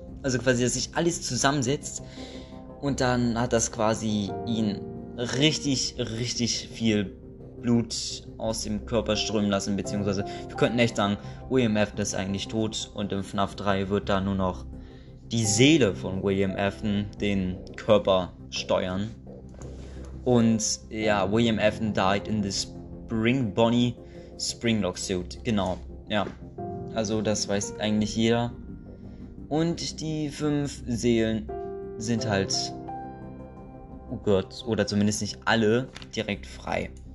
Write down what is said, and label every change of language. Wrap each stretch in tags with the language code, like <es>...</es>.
<de>Also quasi, dass sich alles zusammensetzt und dann hat das quasi ihn richtig, richtig viel Blut aus dem Körper strömen lassen, beziehungsweise wir könnten echt sagen, William Afton ist eigentlich tot und im FNAF 3 wird da nur noch die Seele von William Afton den Körper steuern. Und ja,</de> <en>William Afton died in the Spring Bonnie Springlock Suit.</en> <de>Genau, ja. Also das weiß eigentlich jeder. Und die fünf Seelen sind halt, oh Gott, oder zumindest nicht alle direkt frei.</de>